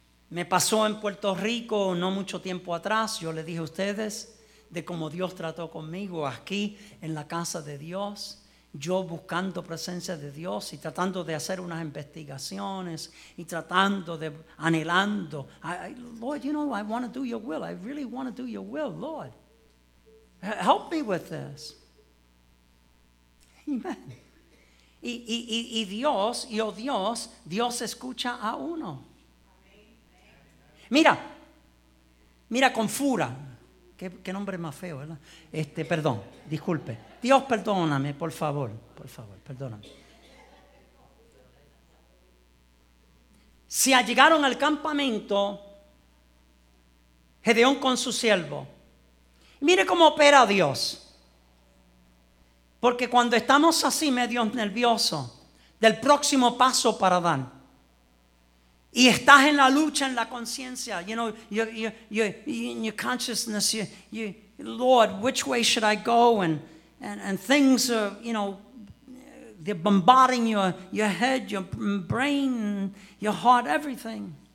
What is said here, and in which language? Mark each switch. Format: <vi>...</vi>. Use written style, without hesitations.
<es>Me pasó en Puerto Rico no mucho tiempo atrás. Yo le dije a ustedes de cómo Dios trató conmigo aquí en la casa de Dios. Yo buscando presencia de Dios y tratando de hacer unas investigaciones y tratando de anhelando.</es> <en>Lord, you know, I want to do your will. I really want to do your will, Lord. Help me with this. Amen.</en> <es>Y Dios escucha a uno. Mira, Confura. ¿Qué nombre más feo, ¿verdad? Perdón, disculpe. Dios, perdóname, por favor, perdóname. Se allegaron al campamento Gedeón con su siervo. Mire cómo opera Dios. Porque cuando estamos así medio nerviosos del próximo paso para dar, y estás en la lucha en la conciencia.</es> <en>You know, you're in your consciousness. Lord, which way should I go? And things are, you know, they're bombarding your head, your brain, your heart, everything.</en>